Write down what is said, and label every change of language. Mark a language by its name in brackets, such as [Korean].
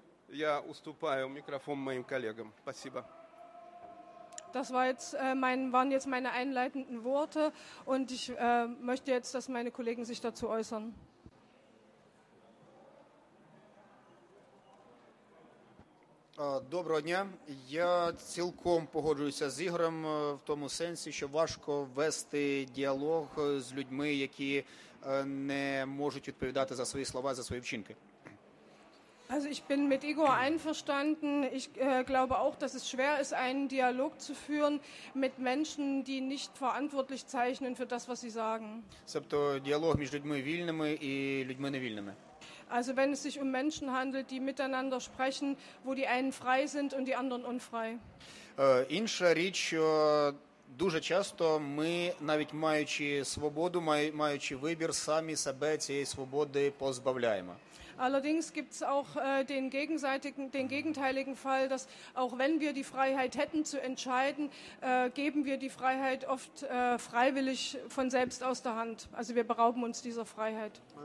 [Russian] Я уступаю микрофон моим коллегам. Спасибо. [German] Das war jetzt, waren jetzt meine einleitenden Worte und ich möchte jetzt, dass meine Kollegen sich dazu äußern. [Ukrainian] Доброго дня. Я цілком погоджуюся з Ігорем в тому сенсі, що важко вести діалог з людьми, які не можуть відповідати за свої слова, за свої вчинки. [German] Also ich bin mit Igor einverstanden. Ich glaube auch, dass es schwer ist, einen Dialog zu führen mit Menschen, die nicht verantwortlich zeichnen für das, was sie sagen. [Ukrainian] Тобто діалог між людьми вільними і людьми невільними. [German] Also wenn es sich um Menschen handelt, die miteinander sprechen, wo die einen frei sind und die anderen unfrei. [Ukrainian] Інша річ, що дуже часто ми, навіть маючи свободу, маючи вибір, самі себе цієї свободи позбавляємо. [German] Allerdings gibt es auch den gegenteiligen Fall, dass auch wenn wir die Freiheit hätten zu entscheiden, geben wir die Freiheit oft freiwillig von selbst aus der Hand. Also wir berauben uns dieser Freiheit.